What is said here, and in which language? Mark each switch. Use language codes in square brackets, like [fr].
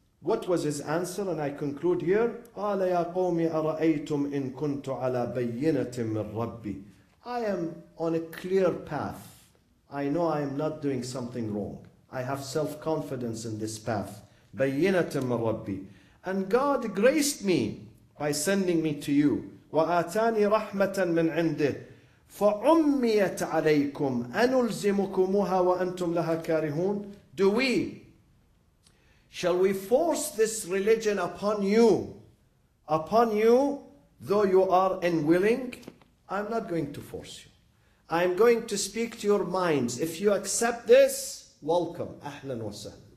[en] What was his answer? And I conclude here. [ar] قَالَ يَا قَوْمِ أَرَأَيْتُمْ إِن كُنْتُ عَلَى بَيِّنَةٍ مِنْ رَبِّي. [en] I am on a clear path. I know I am not doing something wrong. I have self-confidence in this path. [ar] بَيِّنَةٍ مِنْ رَبِّي. [en] And God graced me by sending me to you. [ar] وآتاني رحمة من عنده فعميت عليكم أنلزمكمها وأنتم لها كارهون. [en] Do we? Shall we force this religion upon you? Upon you, though you are unwilling, I'm not going to force you. I'm going to speak to your minds. If you accept this, welcome. [ar] أهلاً وسهلاً.